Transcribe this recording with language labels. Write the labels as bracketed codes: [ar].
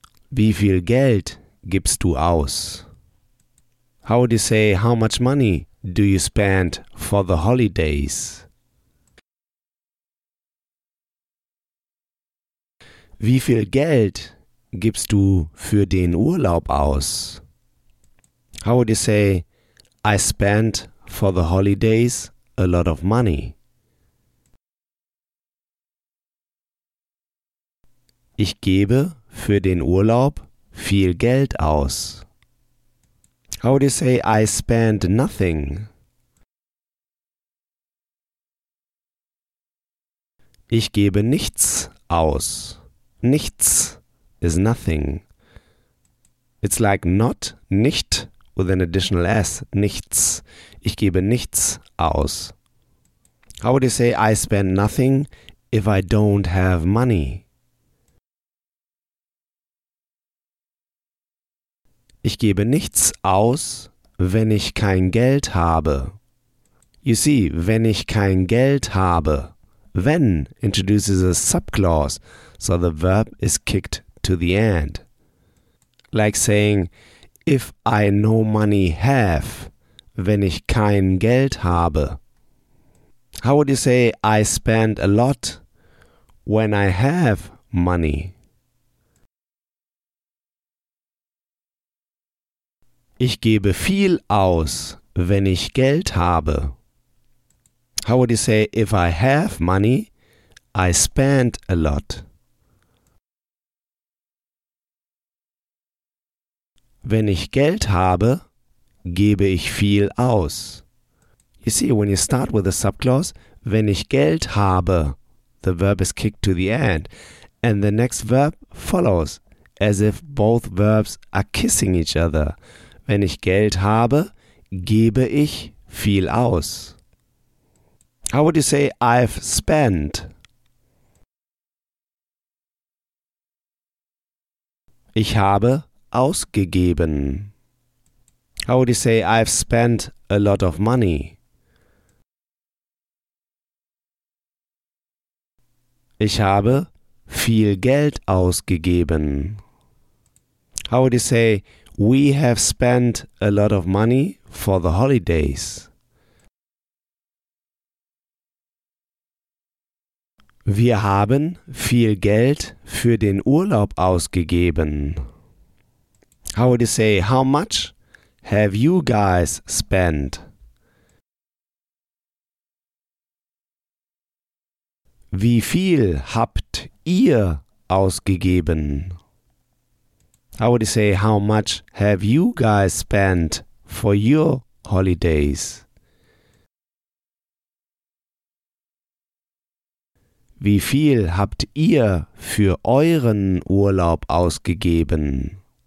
[de] Wie viel Geld gibst du aus? [en] How would you say, how much money do you spend for the holidays? [de] Wie viel Geld gibst du für den Urlaub aus? [en] How would you say, I spend for the holidays a lot of money? [de] Ich gebe für den Urlaub viel Geld aus. [en] How would you say, I spend nothing? [de] Ich gebe nichts aus. [en] Nichts is nothing. It's like not, nicht, with an additional S. Nichts. [de] Ich gebe nichts aus. [en] How would you say, I spend nothing if I don't have money? [de] Ich gebe nichts aus, wenn ich kein Geld habe. [en] You see, [de] wenn ich kein Geld habe. [en] Wenn introduces a subclause, so the verb is kicked to the end. Like saying, if I no money have, [de] wenn ich kein Geld habe. [en] How would you say, I spend a lot when I have money? [de] Ich gebe viel aus, wenn ich Geld habe. [en] How would you say, if I have money, I spend a lot? [de] Wenn ich Geld habe, gebe ich viel aus. [en] You see, when you start with a subclause, [de] wenn ich Geld habe, [en] the verb is kicked to the end, and the next verb follows, as if both verbs are kissing each other. [de] Wenn ich Geld habe, gebe ich viel aus. [en] How would you say, I've spent? [de] Ich habe ausgegeben. [en] How would you say, I've spent a lot of money? [de] Ich habe viel Geld ausgegeben. [en] How would you say, we have spent a lot of money for the holidays? [de] Wir haben viel Geld für den Urlaub ausgegeben. [en] How would you say, how much have you guys spent? [de] Wie viel habt ihr ausgegeben? [en] How would you say, how much have you guys spent for your holidays? [de] Wie viel habt ihr für euren Urlaub ausgegeben?